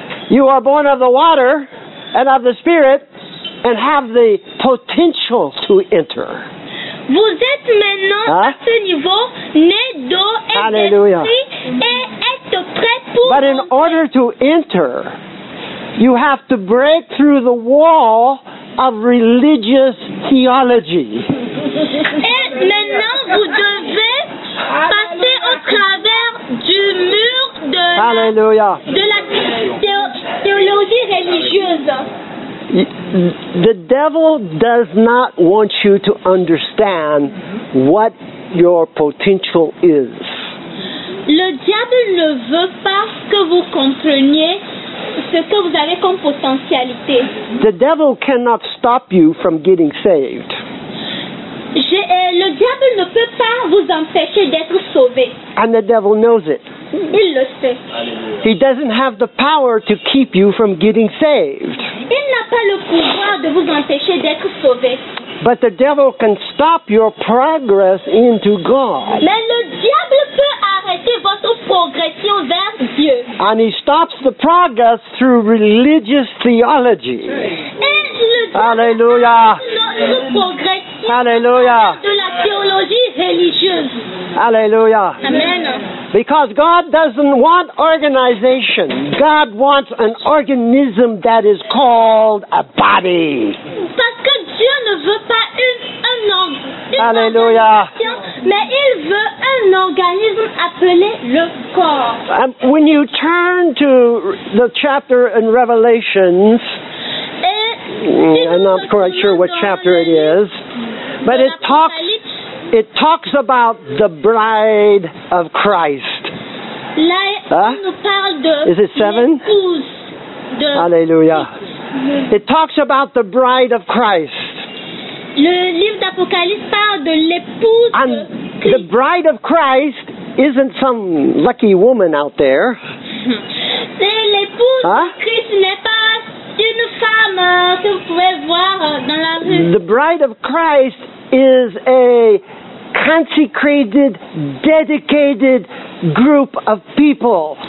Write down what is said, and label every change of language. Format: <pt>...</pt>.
<en>You are born of the water and of the spirit and have the potential to enter.</en> <fr>Vous êtes maintenant à ce niveau, né d'eau et</fr> <en>Hallelujah.</en> <fr>D'esprit, et être prêt pour</fr> <en>But in order to enter, you have to break through the wall of religious theology.</en> <fr>Et maintenant, vous devez passer au travers du mur de</fr> <en>Hallelujah.</en> <fr>la théologie religieuse.</fr> <en>The devil does not want you to understand what your potential is.</en> <fr>Le diable ne veut pas que vous compreniez ce que vous avez comme potentialité.</fr> <en>The devil cannot stop you from getting saved.</en> <fr>Le diable ne peut pas vous empêcher d'être sauvé.</fr> <en>And the devil knows it.</en> <fr>Il le sait.</fr> <en>He doesn't have the power to keep you from getting saved.</en> <fr>Il n'a pas le pouvoir de vous empêcher d'être sauvé.</fr> <en>But the devil can stop your progress into God.</en> <fr>Mais le diable peut arrêter votre progression vers Dieu.</fr> <en>And he stops the progress through religious theology. Hallelujah. Hallelujah.</en> <fr>De la théologie religieuse.</fr> <en>Hallelujah. Amen. Because God doesn't want organization. God wants an organism that is called a body.</en> <fr>Parce que Dieu ne veut pas un homme.</fr> <en>Hallelujah.</en> <fr>Mais il veut un organisme appelé le corps.</fr> <en>When you turn to the chapter in Revelations, I'm not quite sure what chapter it is, but it talks about the bride of Christ. Huh? Is it 7? Hallelujah. It talks about the bride of Christ.</en> <fr>Le livre d'Apocalypse parle de l'épouse.</fr> <en>And the bride of Christ isn't some lucky woman out there.</en> <fr>L'épouse de Christ n'est pas une femme que vous pouvez voir dans la rue.</fr> <en>The bride of Christ is a consecrated, dedicated group of people.</en>